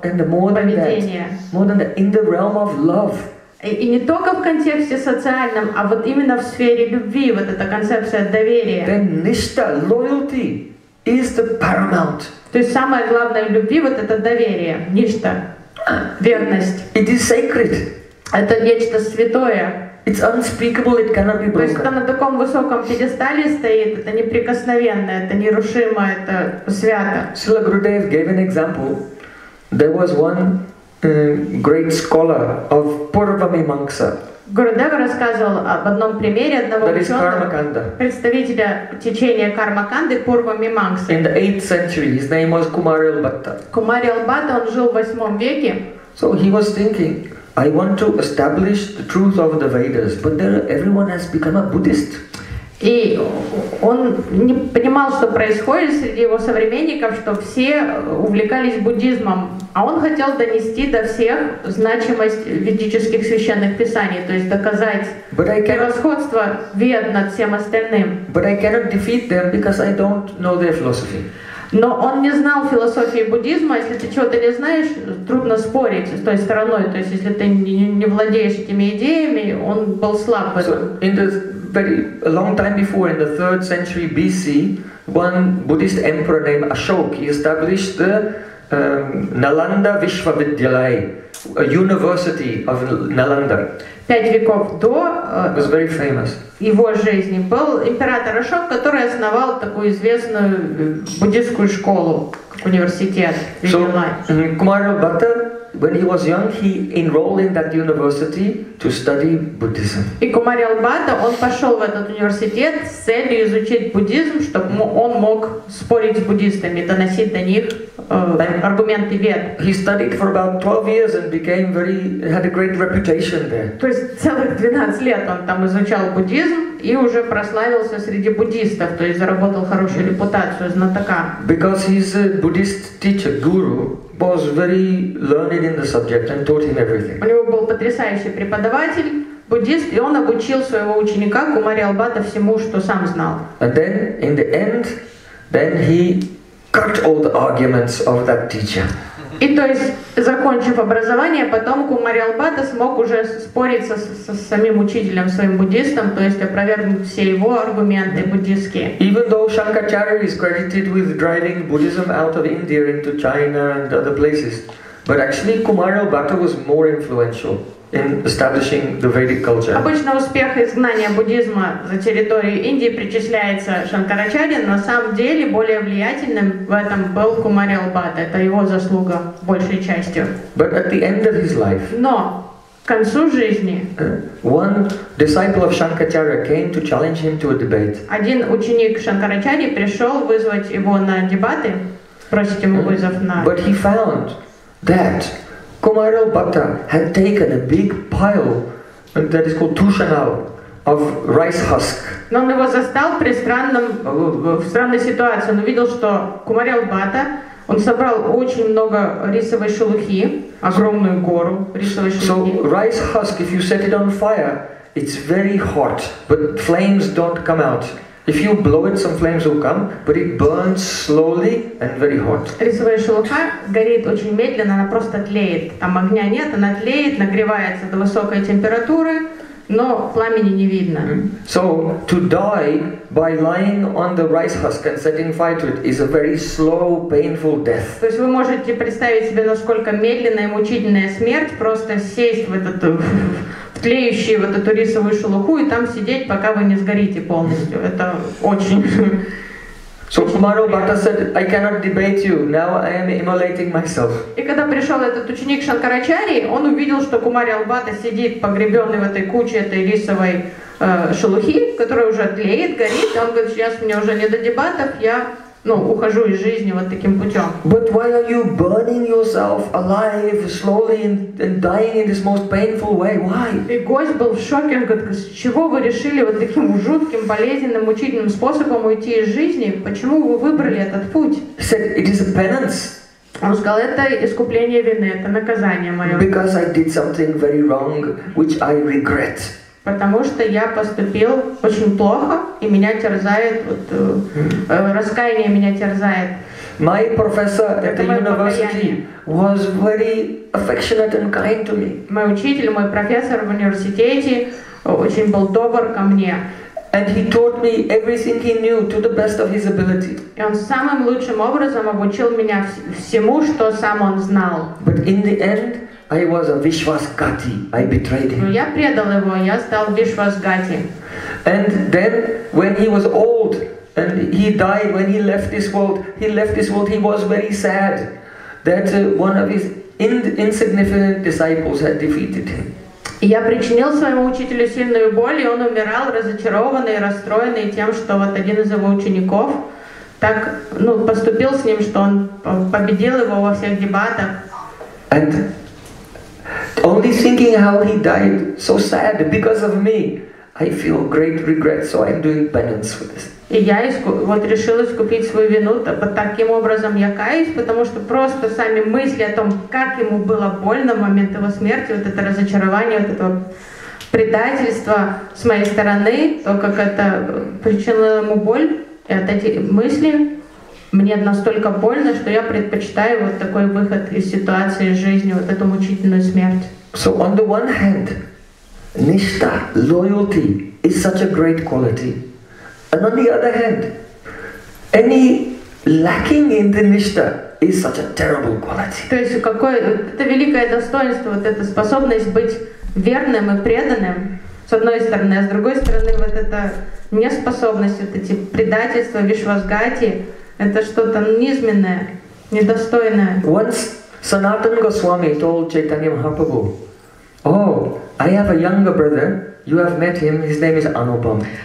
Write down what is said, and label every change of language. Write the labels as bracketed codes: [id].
[en] And more than that, in the realm of love. [ru] И не только в контексте социальном, а вот именно в сфере любви, вот эта концепция доверия. [en] Then nishtha, loyalty, is the paramount. [ru] То есть самое главное в любви, вот это доверие, нishtha, верность. [en] It is sacred. [ru] Это нечто святое. [en] It's unspeakable, it cannot be broken. [ru] То есть это на таком высоком пьедестале стоит, это неприкосновенное, это нерушимое, это свято. [en] Srila Gurudev gave an example. There was one great scholar of Purvamimamsa. [ru] Gurudev рассказывал об одном примере одного ученого, представителя течения Кармаканды Пурвамимамсы. [en] In the 8th century, his name was Kumarilbatta. [ru] Kumarilbatta, он жил в 8 веке. [en] So he was thinking, I want to establish the truth of the Vedas, but there everyone has become a Buddhist. [ru] И он не понимал, что происходит среди его современников, что все увлекались буддизмом, а он хотел донести до всех значимость ведических священных писаний, то есть доказать превосходство вед над всем остальным. [en] But I cannot defeat them because I don't know their philosophy. [ru] Но он не знал философии буддизма, если ты чего-то не знаешь, трудно спорить с той стороной, то есть если ты не владеешь этими идеями, он был слаб в этом. [en] Very long time before, in the 3rd century BC, one Buddhist emperor named Ashok, he established the Nalanda Vishwavidyalaya, a university of Nalanda. [ru] 5 веков до [en] was very famous. [ru] Его жизни был император Ашок, который основал такую известную буддийскую школу, университет. [en] So, Kumarilbatta, when he was young, he enrolled in that university to study Buddhism. [ru] И Кумарилбатта, он пошел в этот университет с целью изучить буддизм, чтобы он мог спорить с буддистами, доносить до них аргументы вед. [en] He studied for about 12 years and became very had a great reputation there. [ru] То есть целых 12 лет он там изучал буддизм и уже прославился среди буддистов, то есть заработал хорошую репутацию знатока. [en] Because his Buddhist teacher, guru, was very learned in the subject and taught him everything. [ru] У него был потрясающий преподаватель, буддист, и он обучил своего ученика Кумарилбатта всему, что сам знал. [en] And then, in the end, then he cut all the arguments of that teacher. [ru] И то есть, закончив образование, потом Кумарилбатта смог уже спорить со самим учителем, своим буддистом, то есть опровергнуть все его аргументы буддистские. [en] Even though Shankaracharya is credited with driving Buddhism out of India into China and other places, but actually Kumarilbatta was more influential in establishing the Vedic culture. [ru] Обычно успех изгнания буддизма за территорию Индии причисляется Шанкарачарье, но на самом деле более влиятельным в этом был Кумарилбатта. Это его заслуга большей частью. [en] But at the end of his life, [ru] но к концу жизни [en] one disciple of Shankaracharya came to challenge him to a debate. [ru] Один ученик Шанкарачарьи пришел вызвать его на дебаты, просить ему вызов на. [en] But he found that Kumarilbatta had taken a big pile, and that is called tushanal, of rice husk. [ru] Но он его застал при странном, в странной ситуации. Он увидел, что Кумарилбатта, он собрал очень много рисовой шелухи, огромную гору рисовой шелухи. [en] So rice husk, if you set it on fire, it's very hot, but flames don't come out. If you blow it, some flames will come, but it burns slowly and very hot. [ru] Рисовая шелуха горит очень медленно, она просто тлеет. Там огня нет, она тлеет, нагревается до высокой температуры, но пламени не видно. So to die by lying on the rice husk and setting fire to it is a very slow, painful death. То есть вы можете представить себе, насколько медленная и мучительная смерть просто сесть в этот тлеющую вот эту рисовую шелуху и там сидеть, пока вы не сгорите полностью. Это очень. [en] So Kumarilbatta said, I cannot debate you. Now I am immolating myself. [ru] И когда пришел этот ученик Шанкарачарьи, он увидел, что Кумарилбатта сидит погребенный в этой куче этой рисовой шелухи, которая уже тлеет, горит. И он говорит, сейчас мне уже не до дебатов, я ну, ухожу из жизни вот таким путем. [en] But why are you burning yourself alive slowly and dying in this most painful way? Why? [ru] И гость был в шоке, он говорит, с чего вы решили вот таким жутким, болезненным, мучительным способом уйти из жизни? Почему вы выбрали этот путь? [en] He said, it is a penance. [ru] Он сказал, это искупление вины, это наказание мое. [en] Because I did something very wrong, which I regret. [ru] Потому что я поступил очень плохо, и меня терзает, вот, раскаяние меня терзает. [en] My professor at the university was very affectionate and kind to me. [ru] Мой учитель, мой профессор в университете очень был добр ко мне. [en] And he taught me everything he knew to the best of his ability. [ru] И он самым лучшим образом обучил меня всему, что сам он знал. [en] But in the end, I was a Vishwasgati. I betrayed him. [ru] Но я предал его, я стал Vishwasgati. [en] And then, when he was old and he died, when he left this world, he was very sad that one of his insignificant disciples had defeated him. [ru] Я причинил своему учителю сильную боль, и он умирал, разочарованный, расстроенный тем, что вот один из его учеников так, ну, поступил с ним, что он победил его во всех дебатах. [en] And only thinking how he died so sad because of me, I feel great regret, so I'm doing penance for this. [ru] И я вот решил искупить свою вину, таким образом я каюсь, потому что просто сами мысли о том, как ему было больно в момент его смерти, вот это разочарование, вот это предательство с моей стороны, то, как это причинило ему боль, и вот эти мысли, мне настолько больно, что я предпочитаю вот такой выход из ситуации жизни, вот эту мучительную смерть. [en] So on the one hand, nishtha, loyalty is such a great quality. And on the other hand, any lacking in the nishtha is such a terrible quality. [ru] То есть какое это великое достоинство, вот эта способность быть верным и преданным, с одной стороны, а с другой стороны, вот эта неспособность, вот эти предательства, вишвасгати, это что-то низменное, недостойное. [en] Once Sanatana Goswami told Chaitanya Mahaprabhu, oh, I have a younger brother, you have met him, his name is Anupam.